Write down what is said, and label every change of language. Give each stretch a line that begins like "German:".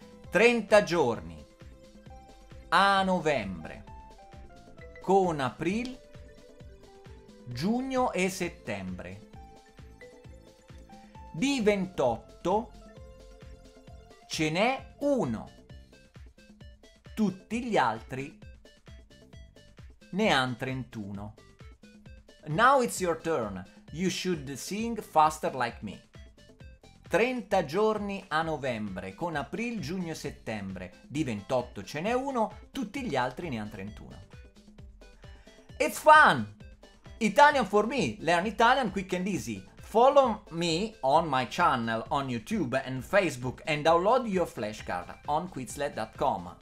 Italian: 30 giorni a novembre con april, giugno e settembre. Di 28 ce n'è uno, tutti gli altri ne han 31.
English: Now it's your turn. You should sing faster like me.
Italian: 30 giorni a novembre con april, giugno e settembre. Di 28 ce n'è uno, tutti gli altri ne han 31.
English: It's fun! Italian for me. Learn Italian quick and easy. Follow me on my channel on YouTube and Facebook and download your flashcard on Quizlet.com.